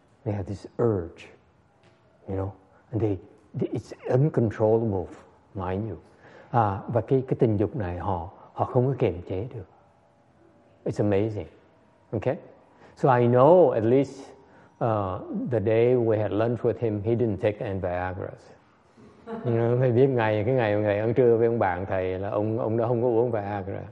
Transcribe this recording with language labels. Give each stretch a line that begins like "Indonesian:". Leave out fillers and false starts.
English: They have this urge, you know, and it's uncontrollable, mind you.
Vietnamese: Và cái tinh dục này họ không có kiềm chế được.
English: It's amazing. Okay? So I know at least the day we had lunch with him, he didn't take any Viagra.
Vietnamese: Thầy biết ngày ăn trưa với ông bạn thầy là ông đó không có uống Viagra.